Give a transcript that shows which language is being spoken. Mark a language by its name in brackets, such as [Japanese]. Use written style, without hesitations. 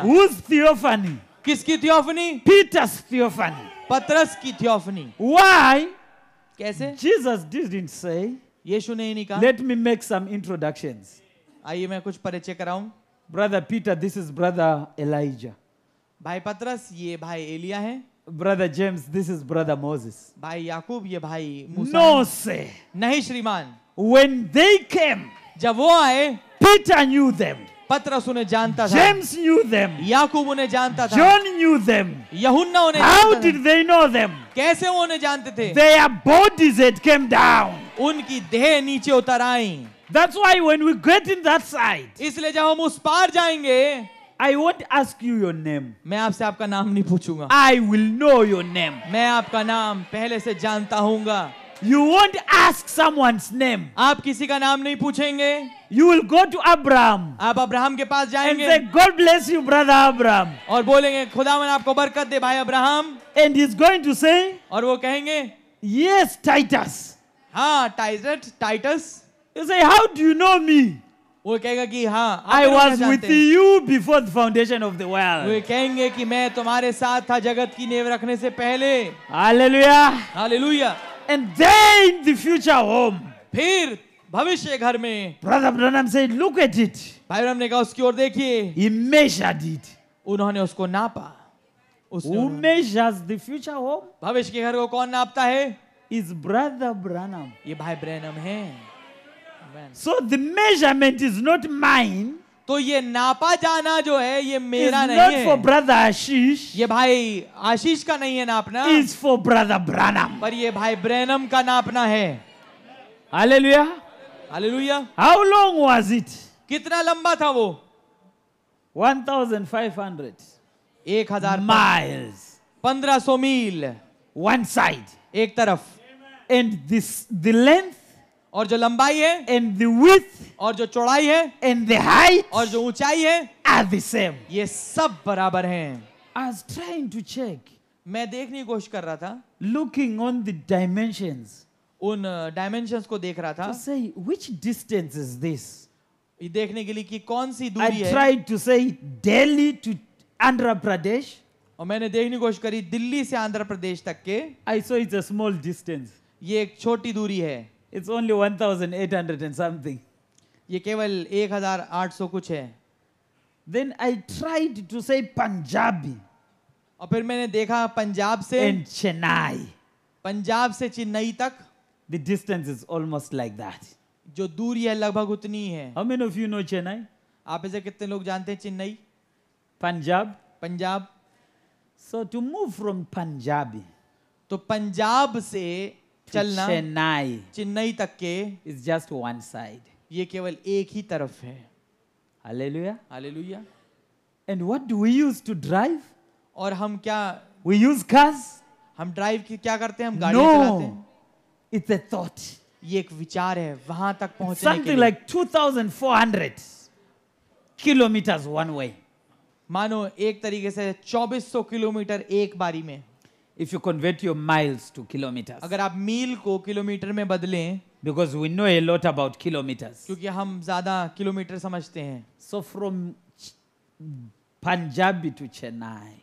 [English] Whose theophany? [Hindi] किसकी theophany? [English] Peter's theophany. [Hindi] पतरस की थियोफनी. [English] Why? [Hindi] कैसे? [English] Jesus didn't say. [Hindi] यीशु ने नहीं कहा. [English] Let me make some introductions. [Hindi] आइए मैं कुछ परिचय कराऊं. [English] Brother Peter, this is Brother Elijah. [Hindi] भाई पत्रस, ये भाई एलिया है. [English] Brother James, this is Brother Moses. [Hindi] भाई याकूब, ये भाई [English] Musa. No, sir. [Hindi] नहीं श्रीमान. [English] When they came, [Hindi] जब वो आए, [English] Peter knew them. [Hindi] पत्रस उन्हें जानता था. [English] James knew them. [Hindi] याकूब उन्हें जानता था. [English] John knew them. [Hindi] यहुन्ना उन्हें [English] जानता था. How did they know them? [Hindi] कैसे वो उन्हें जानते थे? [English] Their bodies had come down. [Hindi] उनकी देह नीचे उतर आई. [English] That's why when we get in that side, [Hindi] इसलिए जब हम उस पार जाएंगे, [English] I won't ask you your name. [Hindi] मैं आपसे आपका नाम नहीं पूछूंगा. [English] I will know your name. [Hindi] मैं आपका नाम पहले से जानता हूंगा. [English] You won't ask someone's name. [Hindi] आप किसी का नाम नहीं पूछेंगे. [English] You will go to Abraham. [Hindi] आप अब्राहम के पास जाएंगे. [English] And say, God bless you, brother Abraham. [Hindi] और बोलेंगे, खुदावन आपको बरकत दे भाई Abraham. [English] And he's going to say, [Hindi] और वो कहेंगे, [English] Yes, Titus. [Hindi] हाँ, Titus. [English] You say, How do you know me? [Hindi] वो कहेगा कि हाँ, [English] I was with you before the foundation of the world. [Hindi] वो कहेंगे कि मैं तुम्हारे साथ था जगत की नींव रखने से पहले. Hallelujah. Hallelujah. [English] And then the future home. [Hindi] फिर भविष्य घर में. [English] Brother Branham said, Look at it. [Hindi] भाई ब्रह्म ने कहा उसकी ओर देखिए. [English] He measured it. [Hindi] उन्होंने उसको नापा. [English] Who measures the future home? [Hindi] भविष्य के घर को कौन नापता है? [English] Is Brother Branham. [Hindi] ये भाई ब्रह्म है. [English] So the measurement is not mine. [Hindi] तो ये नापा जाना जो है ये मेरा नहीं है. [English] It's not for brother Ashish. [Hindi] ये भाई आशीष का नहीं है नापना. [English] It's for brother Branham. [Hindi] पर ये भाई ब्रैनम का नापना है. Hallelujah. Hallelujah. [English] How long was it? [Hindi] कितना लंबा था वो? [English] 1,500. 1,000 miles. [Hindi] 1,500 मील. [English] One side. [Hindi] एक तरफ. [English] And this the length. [Hindi] और जो लंबाई है. [English] And the width. [Hindi] और जो चौड़ाई है. [English] And the height. [Hindi] और जो ऊंचाई है. [English] Are the same. [Hindi] ये सब बराबर हैं. [English] I was trying to check. [Hindi] मैं देखने की कोशिश कर रहा था. [English] Looking on the dimensions. [Hindi] उन dimensions को देख रहा था. [English] To say which distance is this. [Hindi] ये देखने के लिए कि कौन सी दूरी है. [English] I tried to say Delhi to Andhra Pradesh. [Hindi] और मैंने देखने की कोशिश करी दिल्ली से आंध्र प्रदेश तक के. [English] I saw it's a small distance. [Hindi] ये एक छोटी दूरी है. [English] It's only 1,800 and something. [Hindi] ये केवल 1,800 कुछ है. [English] Then I tried to say Punjabi. [Hindi] और फिर मैंने देखा पंजाब से. [English] And Chennai. [Hindi] पंजाब से चेन्नई तक. [English] The distance is almost like that. [Hindi] जो दूरी है लगभग उतनी है. [English] How many of you know Chennai? [Hindi] आप इसे कितने लोग जानते हैं Chennai? Punjab. Punjab. [English] So to move from Punjabi. [Hindi] तो पंजाब से चलना चेन्नई तक के. [English] It's just one side. [Hindi] ये केवल एक ही तरफ है. Hallelujah. Hallelujah. [English] And what do we use to drive? [Hindi] और हम क्या? [English] We use cars. [Hindi] हम ड्राइव की क्या करते हैं? हम गाड़ियां चलाते हैं. [English] It's a thought. [Hindi] ये एक विचार है वहां तक पहुंचने के लिए. [English] Something like 2,400 kilometers one way. [Hindi] मानो एक तरीके से 2,400 किलोमीटर एक बारी में. [English] If you convert your miles to kilometers. [Hindi] अगर आप मील को किलोमीटर में बदलें. [English] Because we know a lot about kilometers. [Hindi] क्योंकि हम ज़्यादा किलोमीटर समझते हैं. [English] So from Punjabi to Chennai.